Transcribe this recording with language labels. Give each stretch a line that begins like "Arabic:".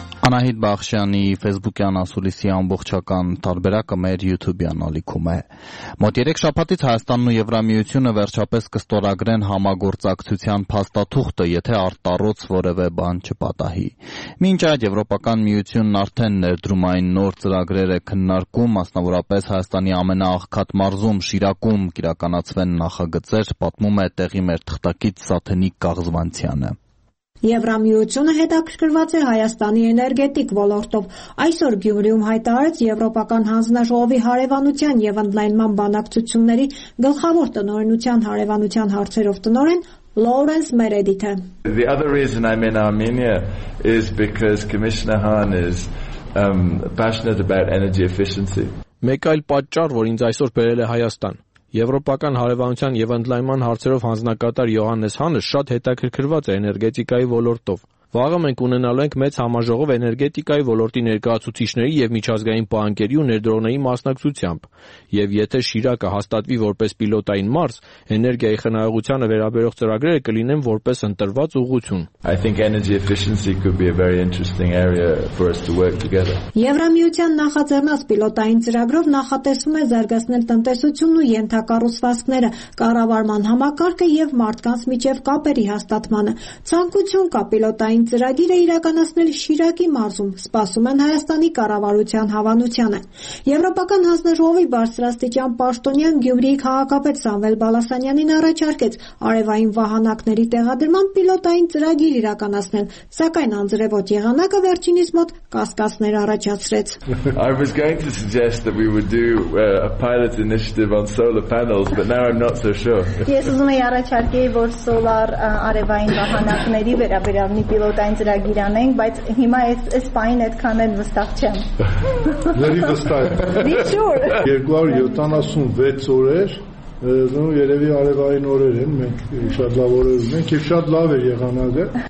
Armenian: Անահիտ Բախշյանի Facebook-յան ասուլիսի ամբողջական տարբերակը մեր YouTube-յան ալիքում է։ Մոտ 3 շաբաթից Հայաստանն ու Եվրամիությունը վերջապես կստորագրեն համագործակցության փաստաթուղթը, եթե արտարոց որևէ բան չպատահի։ Մինչ այդ Եվրոպական միությունն արդեն ներդրում այն նոր ծրագրերը քննարկում, մասնավորապես Հայաստանի ամենաաղքատ մարզում Շիրակում կիրականացվեն նախագծեր, պատմում է տեղի մեր թղթակից Սաթենի Կաղզվանցյանը։ Եվրամիությունը հետաքրքրված է Հայաստանի էներգետիկ ոլորտով։ Այսօր Գյումրիում հայտարարեց Եվրոպական հանձնաժողովի հարևանության և ընդլայնման բանակցությունների գլխավոր տնօրենության հարևանության հարցերով տնօրեն Լորենս Մերեդիթը։
English: The other reason I'm in Armenia is because Commissioner Hahn is passionate about energy efficiency.
Armenian: Մեկ այլ պատճառ, որ ինձ այսօր բերել է Հայաստան, Եվրոպական հարևանության և ընդլայնման հարցերով հանձնակատար Յոհաննես Հանը շատ հետաքրքրված է էներգետիկայի ոլորտով։ Վաղը մենք ունենալու ենք մեծ համաժողով էներգետիկայի ոլորտի ներկայացուցիչների և միջազգային բանկերի ու ներդրողների մասնակցությամբ։ Եվ եթե Շիրակը հաստատվի որպես պիլոտային մարզ, էներգիայի խնայողությանը վերաբերող ծրագրերը կլինեն որպես ընտրված ուղղություն։
English: I think energy efficiency could be a very interesting area for us to work together.
Armenian: Եվրամիության նախաձեռնած պիլոտային ծրագրով նախատեսվում է զարգացնել տնտեսությունն ու ենթակառուցվածքները, կառավարման համակարգը և մարդկանց միջև կապերի հաստատմանը։ Ցանկություն կա պիլոտ այն ծրագիրը իրականացնել Շիրակի մարզում, սպասում են Հայաստանի կառավարության հավանությանը։ Եվրոպական հանձնաժողովի բարձրաստիճան պաշտոնյան Գյումրիի քաղաքապետ Սամվել Բալասանյանին առաջարկեց արևային վահանակների տեղադրման պիլոտային ծրագիր իրականացնել, սակայն անձրևոտ եղանակը վերջինիս մոտ կասկածներ առաջացրեց։
English: I was going to suggest that we would do a pilot initiative on solar panels, but now I'm not so sure.
Armenian: Ես ուզում եի առաջարկել, որ սոլար արևային վահանակների վերաբերյալ մի պիլոտային ծրագիր անենք, բայց հիմա այս պահին այդքան էլ վստահ չեմ։ Լավ, վստահ եմ։ Ինչու՞։ 276 օրեր, ուրեմն երևի արևային օրեր են, մենք շատ լավ օրեր ունենք եւ շատ լավ է եղանակը։